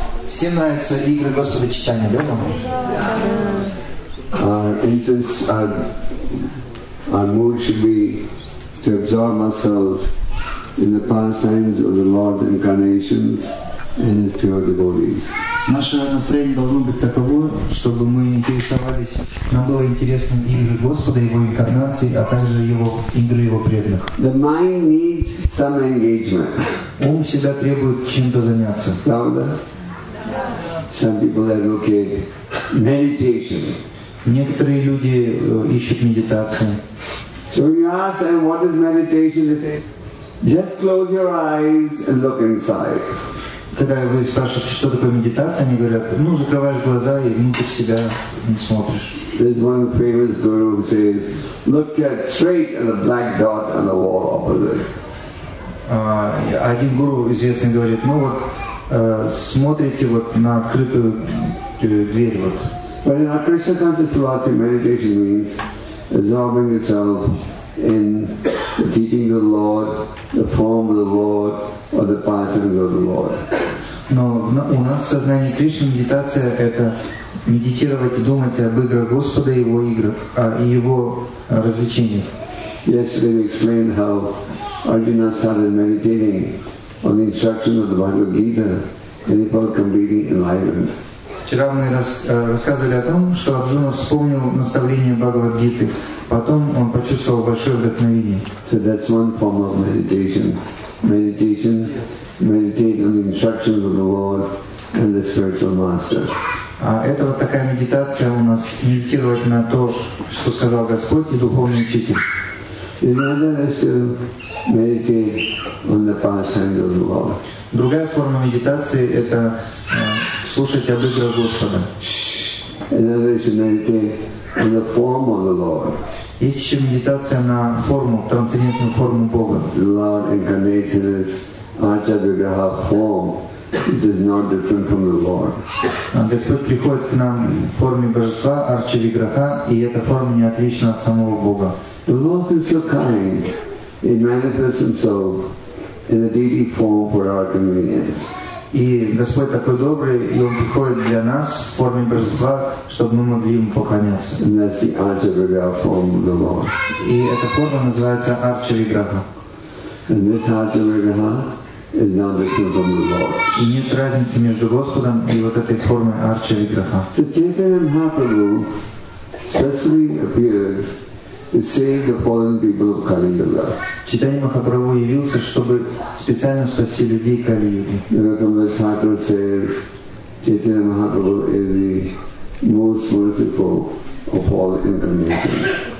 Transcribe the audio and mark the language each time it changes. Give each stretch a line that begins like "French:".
Russian: Все маются игры Господа Читания, да?
English: Our mood should be to absorb ourselves in the pastimes of the Lord's incarnations and His pure devotees.
Russian: Наше настроение должно быть таково, чтобы мы интересовались, нам было интересно игры Господа, Его инкарнации, а также Его игры Его преданных.
English: The mind needs some engagement.
Russian: Ум всегда требует чем-то заняться. Правда?
English: Some people are looking meditation.
Russian: Некоторые люди ищут медитацию.
English: So when you ask them what is meditation, they say, just close your eyes and look inside.
Russian: Когда вы спрашиваете, что такое медитация, они говорят, ну, закрываешь глаза и внутрь себя смотришь.
English: There's one famous guru who says, look at straight at the black dot on the wall opposite.
Russian: Один гуру известный говорит, ну вот, смотрите вот на открытую дверь вот.
English: But in our Krishna conscious philosophy, meditation means absorbing yourself in the teaching of the Lord, the form of the Lord, or the passing of the Lord.
Russian: Но у нас в сознании Кришны медитация — это медитировать и думать об играх Господа и его развлечениях.
English: Yesterday we explained how Arjuna started meditating on the instruction of the Bhagavad Gita and he felt completely enlightened.
Russian: Вчера мы рассказывали о том, что Арджуна вспомнил наставление Бхагавад-гиты. Потом он почувствовал большое вдохновение.
English: So that's one form of meditation. Meditation, meditate on the instructions of the Lord and the spiritual master.
Russian: А это вот такая медитация у нас, медитировать на то, что сказал Господь и духовный учитель.
English: Another is to meditate on the pastimes of the Lord.
Russian: Другая форма медитации — это слушать об играх Господа.
English: Another is to meditate on the form of the Lord.
Russian: Есть еще медитация на форму, трансцендентную форму Бога.
English: The Lord incarnates in this Acharya-graha form. It is not different from the Lord.
Russian: Господь приходит к нам в форме Божества, Арчари-граха, и эта форма не отлична от самого Бога.
English: The Lord is so kind. He manifests Himself in a deity form for our convenience.
Russian: И Господь такой добрый, и Он приходит для нас в форме Божества, чтобы мы могли Ему поклоняться.
English: And that's the Acharya-graha form of the Lord.
Russian: И эта форма называется Арчари-граха.
English: And this Acharya-graha is not different from the Lord.
Russian: И нет разницы между Господом и вот этой формой Арчари-граха.
English: So Chaitanya Mahaprabhu specially appeared to save the fallen people of Kali Yuga.
Russian: Chaitanya Mahaprabhu явился, чтобы специально спасти людей Кали Юги.
English: Narottama Thakur says Chaitanya Mahaprabhu is the most merciful of all incarnations.